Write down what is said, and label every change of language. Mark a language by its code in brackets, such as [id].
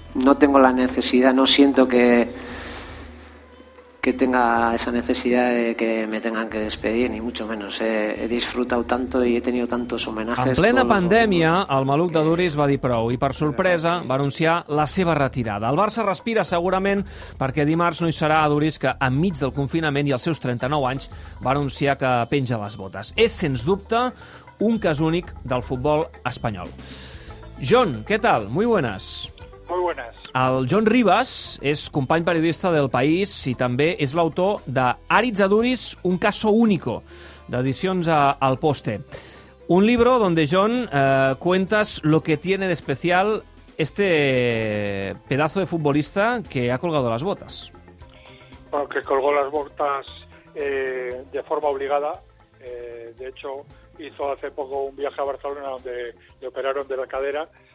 [es] No tengo la necesidad, no siento que tenga esa necesidad de que me tengan que despedir, ni mucho menos. He disfrutado tanto y he tenido tantos homenajes. [ca] En plena pandèmia, el maluc d'Aduriz va dir prou i, per sorpresa, va anunciar la seva retirada. El Barça respira segurament perquè dimarts no hi serà Aduriz, que enmig del confinament i els seus 39 anys va anunciar que penja les botes. És, sens dubte, un cas únic del futbol espanyol. John, què tal? [es] Muy buenas. Muy buenas. [ca] El John Ribas és company periodista del País i també és l'autor de Aritz Aduriz, un caso único, d'Edicions al Poste. [es] Un libro donde, John, cuentas lo que tiene de especial este pedazo de futbolista que ha colgado las botas. Bueno, que colgó las botas de forma obligada. De hecho, hizo hace poco un viaje a Barcelona donde le operaron de la cadera.